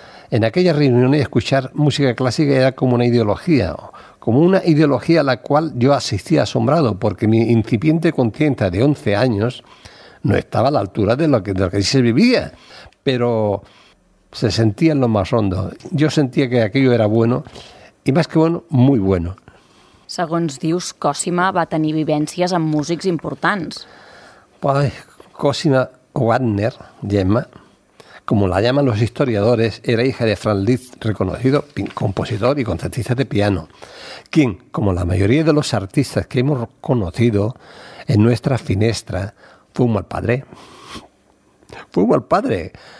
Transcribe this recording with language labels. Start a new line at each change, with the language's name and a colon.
Spanish: En aquella reunión, escuchar música clásica era como una ideología a la cual yo asistía asombrado, porque mi incipiente conciencia de 11 años no estaba a la altura de lo que se vivía, pero se sentía en lo más hondo. Yo sentía que aquello era bueno, y más que bueno, muy bueno.
Catalan: Segons dius, Cosima va tenir vivències amb músics importants.
Spanish: Pues Cosima Wagner, Gemma, como la llaman los historiadores, era hija de Franz Liszt, reconocido compositor y concertista de piano, quien, como la mayoría de los artistas que hemos conocido en nuestra finestra, fue un mal padre. Fue un mal padre.